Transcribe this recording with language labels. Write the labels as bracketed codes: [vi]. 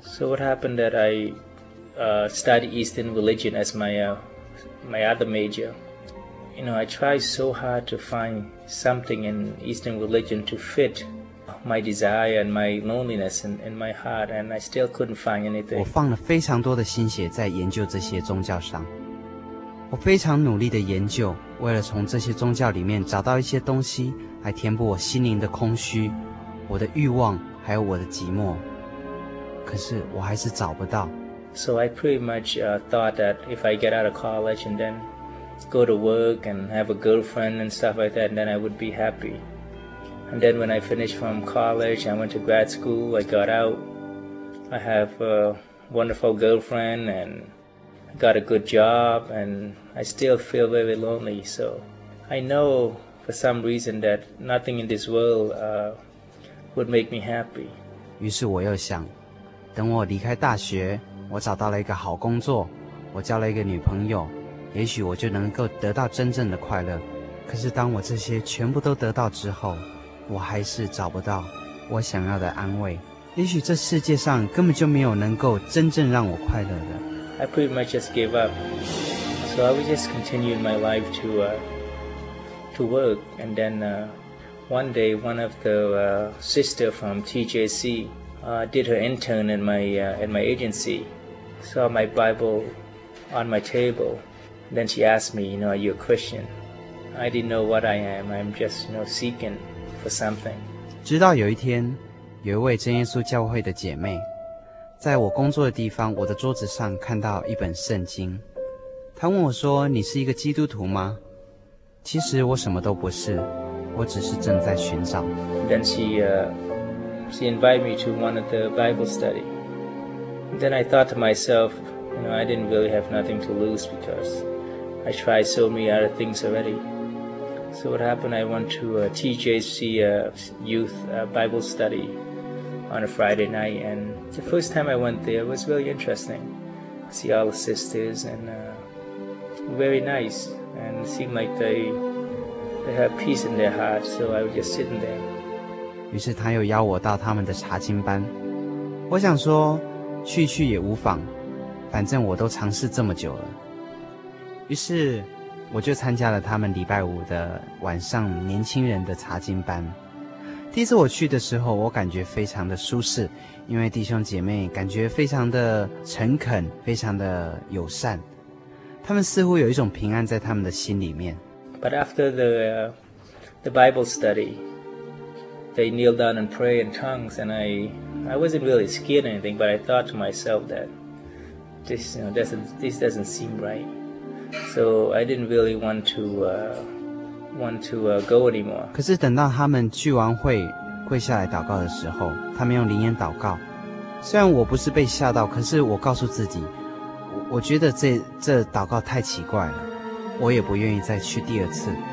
[en] So what happened that I studied Eastern religion as my other major? I tried so hard to find something in Eastern religion to fit my desire and my loneliness in my heart, and I still couldn't find anything. [zh] 我放了非常多的心血在研究这些宗教上，我非常努力的研究，为了从这些宗教里面找到一些东西来填补我心灵的空虚，我的欲望还有我的寂寞，可是我还是找不到。 [en] So I pretty much thought that if I get out of college and then go to work and have a girlfriend and stuff like that, then I would be happy. And then when I finished from college, I went to grad school, I got out, I have wonderful girlfriend and got a good job, and I still feel very lonely. So I know for some reason that nothing in this world would make me happy. [zh] 于是我又想，等我离开大学，我找到了一个好工作，我交了一个女朋友，也许我就能够得到真正的快乐。可是当我这些全部都得到之后，我还是找不到我想要的安慰。也许这世界上根本就没有能够真正让我快乐的。 [en] I pretty much just gave up. So I was just continuing my life to work. And then one day, one of the sister from TJC did her intern at my agency. Saw my Bible on my table. Then she asked me, you know, are you a Christian? I didn't know what I am. I'm just, you know, seeking for something. [zh] 直到有一天，有一位真耶稣教会的姐妹，在我工作的地方，我的桌子上看到一本圣经。她问我说，你是一个基督徒吗？其实我什么都不是，我只是正在寻找。 [en] Then she invited me to one of the Bible study. Then I thought to myself, you know, I didn't really have nothing to lose because I tried so many other things already. So what happened, I went to a TJC youth Bible study on a Friday night, and the first time I went there was really interesting. See all the sisters, and very nice, and it seemed like they have peace in their heart, so I was just sitting there. [zh] 于是他又邀我到他们的查经班，我想说去去也无妨，反正我都尝试这么久了。于是我就参加了他们礼拜五的晚上年轻人的查经班。第一次我去的时候，我感觉非常的舒适，因为弟兄姐妹感觉非常的诚恳，非常的友善，他们似乎有一种平安在他们的心里面。 [en] But after the Bible study, they kneeled down and prayed in tongues, and I wasn't really scared or anything, but I thought to myself that this, you know, this doesn't seem right. So I didn't really want to go anymore. [zh] 可是等到他们聚完会跪下来祷告的时候，他们用灵言祷告，虽然我不是被吓到，可是我告诉自己，我觉得这祷告太奇怪了，我也不愿意再去第二次。